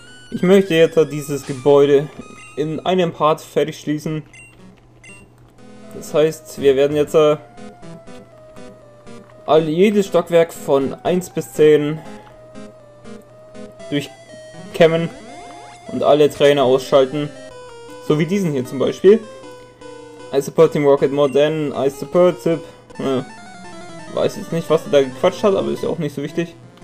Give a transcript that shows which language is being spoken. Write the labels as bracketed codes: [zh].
[de] Ich möchte jetzt dieses Gebäude in einem Part fertig schließen. Das heißt, wir werden jetzt jedes Stockwerk von 1 bis 10 durchkämmen und alle Trainer ausschalten. So wie diesen hier zum Beispiel. [en] I support Team Rocket more than I support Zip. [de] Weiß jetzt nicht, was er da gequatscht hat, aber ist ja auch nicht so wichtig.